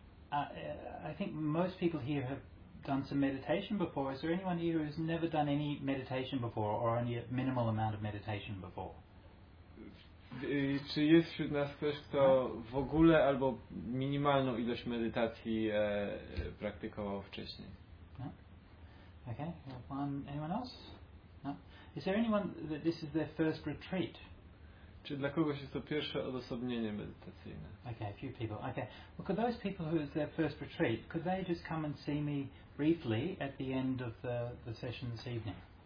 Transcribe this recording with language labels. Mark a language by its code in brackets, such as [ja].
[en] I think most people here have done some meditation before. Is there anyone here who has never done any meditation before or only a minimal amount of meditation before? [pl] Czy jest wśród nas ktoś, kto w ogóle albo minimalną ilość medytacji praktykował wcześniej? [en] Okay. Anyone else? No. Is there anyone that this is their first retreat? [pl] Czy dla kogoś jest to pierwsze odosobnienie medytacyjne? [en] Okay, a few people. Okay. Well, could those people who is their first retreat, could they just come and see me briefly at the end of the session this evening?